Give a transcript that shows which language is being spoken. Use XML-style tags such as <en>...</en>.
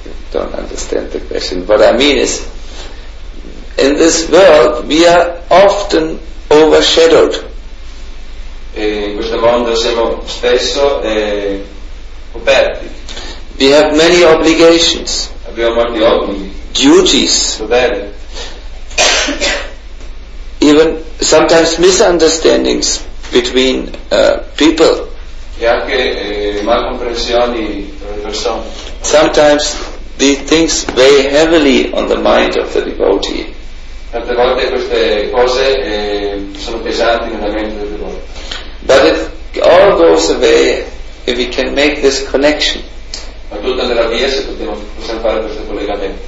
<en>Don't understand the question. What I mean is, in this world, we are often overshadowed.</en> <it>In questo mondo siamo spesso coperti.</it> <en>We have many obligations.</en> <it>Abbiamo molti obblighi.</it> <en>Duties. Even sometimes misunderstandings between people.</en> <it>E anche malcomprensioni tra le persone.</it> <en>Sometimes these things weigh heavily on the mind of the devotee.</en> <it>Tante volte queste cose sono pesanti nella mente del devoto.</it> <en>But if all goes away, if we can make this connection.</en> <it>Ma tutta nella via se possiamo fare questo collegamento.</it>